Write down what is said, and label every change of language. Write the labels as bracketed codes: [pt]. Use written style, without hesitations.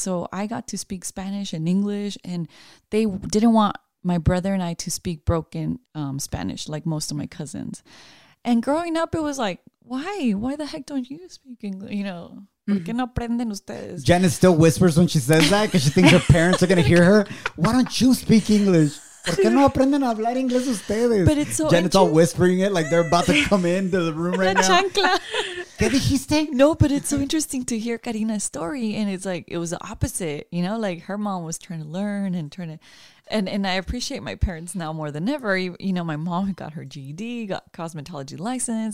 [en] So I got to speak Spanish and English, and they didn't want my brother and I to speak broken Spanish like most of my cousins. And growing up, it was like, why? Why the heck don't you speak English, you know? Janet still whispers when she says that because she thinks her parents are going to hear her. Why don't you speak English? [es] ¿Por qué no aprenden a hablar inglés ustedes? [en] But it's so Janet's all whispering it like they're about to come into the room right now. [es] Chancla. ¿Qué dijiste? [en] No, but it's so interesting to hear Karina's story. And it's like, it was the opposite, you know, like her mom was trying to learn and trying to. And I appreciate my parents now more than ever. You know, my mom got her GED, got cosmetology license.